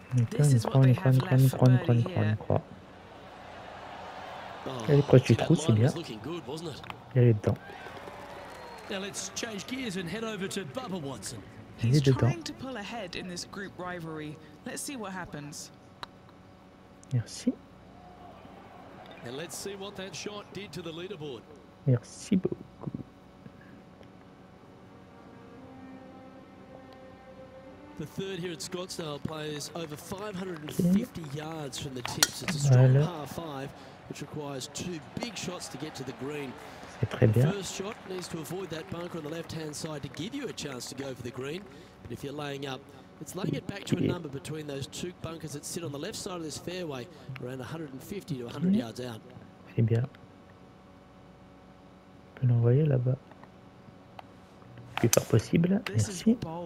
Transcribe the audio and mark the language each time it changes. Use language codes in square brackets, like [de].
[en] This is what they have left from early here. [fr] Oh, elle est proche du trou, c'est bien. Elle est dedans. [en] Now let's change gears and head over to Bubba Watson. [fr] Elle est dedans. [en] Trying to pull ahead in this group rivalry. Let's see what happens. [fr] Merci. [en] And let's see what that shot did to the leaderboard. [fr] Merci beaucoup. [en] The third here at Scottsdale plays over 550 yards from the tips. It's a strong [fr] voilà. [en] Par 5, which requires two big shots to get to the green. [fr] C'est très bien. [en] The first shot needs to avoid that bunker on the left-hand side to give you a chance to go for the green. But if you're laying up, it's laying it back to a number between those two bunkers that sit on the left side of this fairway, around 150 to 100 yards out. [fr] C'est bien. On peut l'envoyer là-bas. Plus fort possible. Merci.